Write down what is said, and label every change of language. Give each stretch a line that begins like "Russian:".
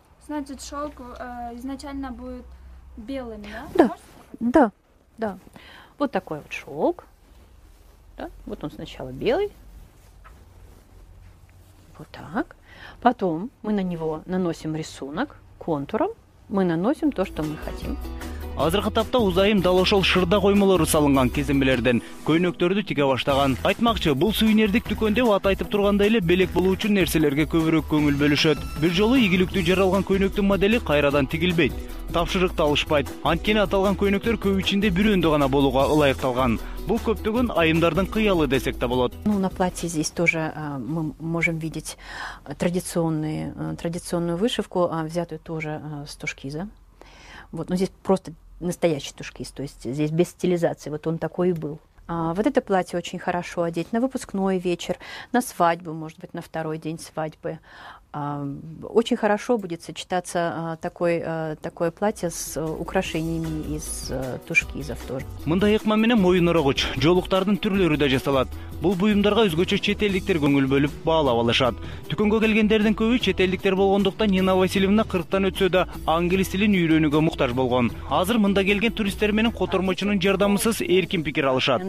Russian: Значит, шелк изначально будет белым, да? Да, да, да. Вот такой вот шелк. Да? Вот он сначала белый. Вот так. Потом мы на него наносим рисунок контуром. Мы наносим то, что мы хотим.
Kyrgyz: Азыркы тапта узайым дал ошол шырда коймолору салынган кезенбелерден көйнөктөрдү тиге баштаган. Айтмакчы, бул сувенирдик дүкөндө аты айтып тургандай эле белек болуу үчүн нерселерге көбүрөөк көңүл бөлүшөт. Бир жолу ийгиликтүү жаралган көйнөктүн модели кайрадан тигилбейт, тапшырык талышпайт. Анткени аталган көйнөктөр көп ичинде бирөөндө гана болууга ылайыкталган. Бул көптөгөн айымдардын кыялы десек да болот.
Russian: Ну, на платье здесь тоже мы можем видеть традиционную вышивку, взятую тоже с тушкиза. Вот, ну здесь просто настоящий тушкиз, то есть здесь без стилизации, вот он такой и был. Вот это платье очень хорошо одеть на выпускной вечер, на свадьбу, может быть, на второй день свадьбы. Очень хорошо будет сочетаться такое платье с украшениями из тушкизов тоже.
Kyrgyz: Мындай ыкма менен моюнурагыч, жолуктардын түрлөрү да жасалат. Бул буюмдарга өзгөчө чет элдиктер көңүл бөлүп баалап алышат. Түкөнгө келгендердин көбү чет элдиктер болгондуктан Нина Васильевна 40-тан өтсө да англис тилин үйрөнүүгө муктаж болгон. Азыр мында келген туристтер менен котормочунун жардамысыз эркин пикир алышат.